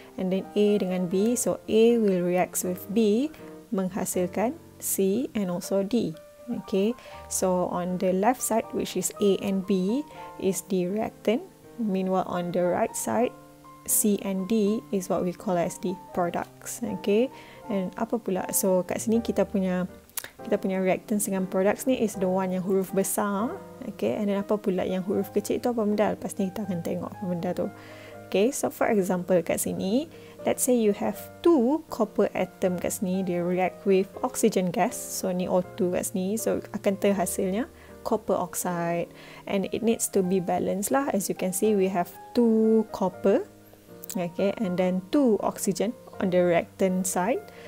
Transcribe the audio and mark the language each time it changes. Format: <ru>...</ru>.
<en>And then A dengan B, so A will react with B, menghasilkan C and also D, okay? So on the left side, which is A and B, is the reactant. Meanwhile, on the right side, C and D is what we call as the products, okay?</en> <ms>And apa pula? So kat sini kita punya reactants dengan products ni</ms> <en>is the one</en> <ms>yang huruf besar. Okay, and then apa pula yang huruf kecil tu apa benda? Lepas ni kita akan tengok apa benda tu.</ms> <en>Okay, so for example</en> <ms>kat sini,</ms> <en>let's say you have two copper atom kat sini, they react with oxygen gas.</en> <ms>So ni O2 kat sini, so akan terhasilnya copper oxide.</ms> <en>And it needs to be balanced lah. As you can see, we have two copper, okay, and then two oxygen on the reactant side.</en>